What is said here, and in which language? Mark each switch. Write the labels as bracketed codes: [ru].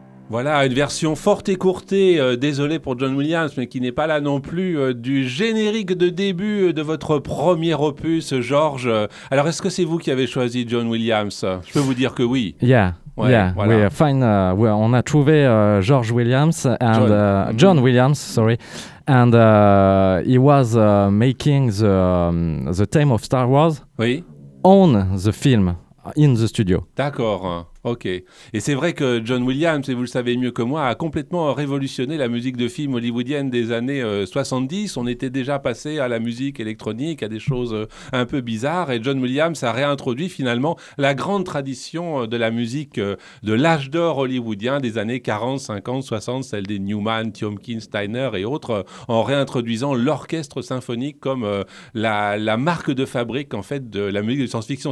[fr] Voilà, une version forte et courtée, désolé pour John Williams, mais qui n'est pas là non plus, du générique de début de votre premier opus, Georges. Alors, est-ce que c'est vous qui avez choisi John Williams? Je peux vous dire que oui. Yeah. Ouais, yeah, voilà. On a trouvé [en] George Williams and John Williams, sorry, and he was making the theme of Star Wars. [fr] Oui. [en] On the film in the studio. [fr] D'accord. Ok. Et c'est vrai que John Williams, et vous le savez mieux que moi, a complètement révolutionné la musique de film hollywoodienne des années 70. On était déjà passé à la musique électronique, à des choses un peu bizarres. Et John Williams a réintroduit finalement la grande tradition de la musique de l'âge d'or hollywoodien des années 40, 50, 60, celle des Newman, Tiomkin, Steiner et autres, en réintroduisant l'orchestre symphonique comme la marque de fabrique en fait de la musique de science-fiction.